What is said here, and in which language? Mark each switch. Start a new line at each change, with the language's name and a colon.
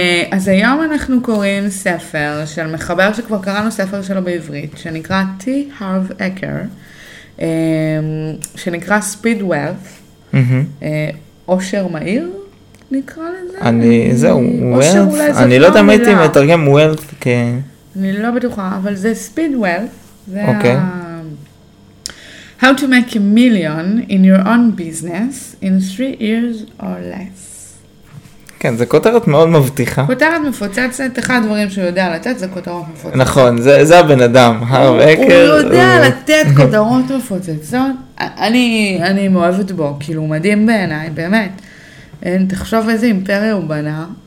Hebrew: אז היום אנחנו קוראים ספר של מחבר שכבר קראנו ספר שלו בעברית, שנקרא T. Harv Eker, שנקרא Speed Wealth, עושר מהיר. נקרא לזה? אני, זהו, wealth? אני לא יודע מה הייתי מתרגם wealth, כן. אני לא בטוחה, אבל זה speed wealth. זה ה...
English: How to make a million in your own business in 3 years or less.
Hebrew: כן, זה כותרת מאוד מבטיחה. כותרת מפוצצת, אחד הדברים שהוא יודע לתת, זה כותרות מפוצצת. נכון, זה הבן אדם, הרב אקר. הוא יודע לתת כותרות מפוצצות. אני מאוהבת בו, כאילו מדהים בעיניי, באמת. תחשוב איזה אימפריה הוא בנה.